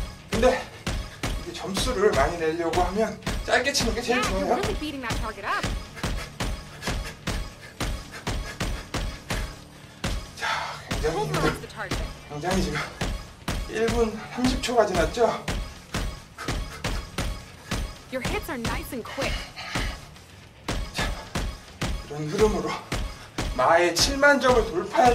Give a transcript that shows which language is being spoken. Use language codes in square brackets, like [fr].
[ko] 근데 이게 점수를 많이 내려고 하면 짧게 치는 게 제일 yeah, 좋아요. [en] You're really beating that target up. [ko] 자, 굉장히 힘들어요. 굉장히 지금. 1분 30초가 지났죠? [en] Your hits are nice and quick. [ko] 자, 이런 흐름으로 마의 7만 점을 돌파할